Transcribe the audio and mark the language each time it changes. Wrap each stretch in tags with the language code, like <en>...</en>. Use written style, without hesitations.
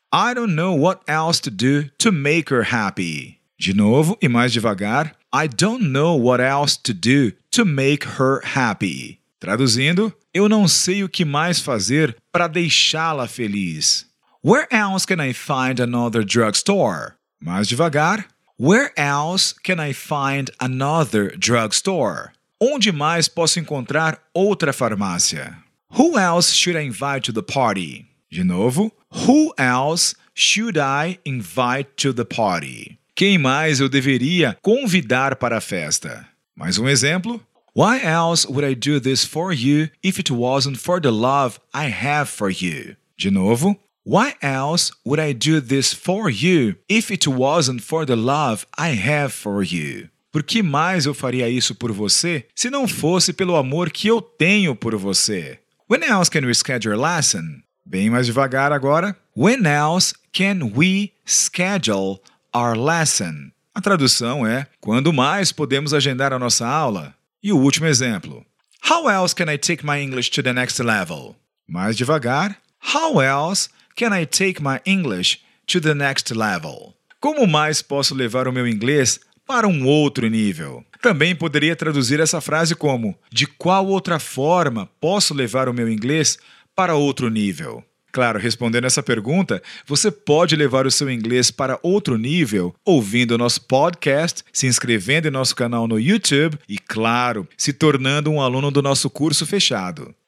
<en>I don't know what else to do to make her happy.</en> <pt>De novo e mais devagar.</pt> <en>I don't know what else to do to make her happy.</en> <pt>Traduzindo, eu não sei o que mais fazer para deixá-la feliz.</pt> <en>Where else can I find another drugstore?</en> <pt>Mais devagar.</pt> <en>Where else can I find another drugstore?</en> <pt>Onde mais posso encontrar outra farmácia?</pt> <en>Who else should I invite to the party?</en> <pt>De novo.</pt> <en>Who else should I invite to the party?</en> <pt>Quem mais eu deveria convidar para a festa? Mais um exemplo.</pt> <en>Why else would I do this for you if it wasn't for the love I have for you?</en> <pt>De novo.</pt> <en>Why else would I do this for you if it wasn't for the love I have for you?</en> <pt>Por que mais eu faria isso por você se não fosse pelo amor que eu tenho por você?</pt> <en>When else can we schedule a lesson?</en> <pt>Bem mais devagar agora.</pt> <en>When else can we schedule our lesson?</en> <pt>A tradução é, quando mais podemos agendar a nossa aula? E o último exemplo.</pt> <en>How else can I take my English to the next level?</en> <pt>Mais devagar.</pt> <en>How else can I take my English to the next level?</en> <pt>Como mais posso levar o meu inglês para um outro nível? Também poderia traduzir essa frase como: de qual outra forma posso levar o meu inglês para outro nível? Claro, respondendo essa pergunta, você pode levar o seu inglês para outro nível ouvindo o nosso podcast, se inscrevendo em nosso canal no YouTube e, claro, se tornando um aluno do nosso curso fechado.</pt>